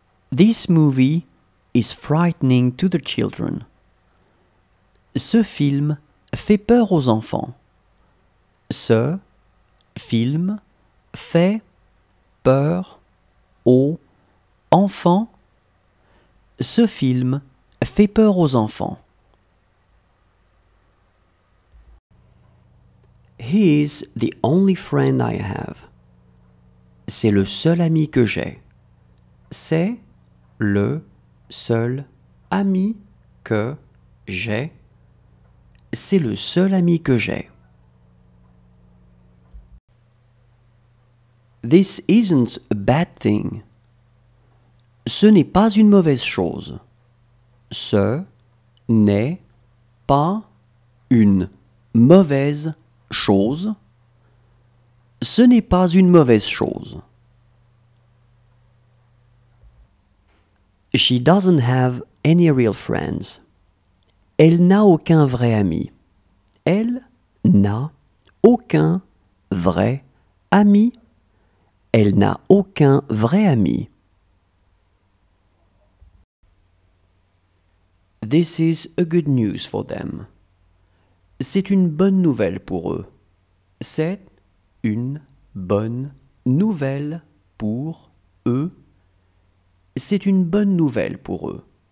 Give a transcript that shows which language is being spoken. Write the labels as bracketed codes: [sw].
[en] This movie is frightening to the children. [fr] Ce film fait peur aux enfants. Ce film fait peur aux enfants. Ce film fait peur aux enfants. [en] He is the only friend I have. [fr] C'est le seul ami que j'ai. C'est le seul ami que j'ai. C'est le seul ami que j'ai. [en] This isn't a bad thing. [fr] Ce n'est pas une mauvaise chose. Ce n'est pas une mauvaise chose. Ce n'est pas une mauvaise chose. [en] She doesn't have any real friends. [fr] Elle n'a aucun vrai ami. Elle n'a aucun vrai ami. Elle n'a aucun vrai ami. [en] This is a good news for them. [fr] C'est une bonne nouvelle pour eux. C'est une bonne nouvelle pour eux. C'est une bonne nouvelle pour eux.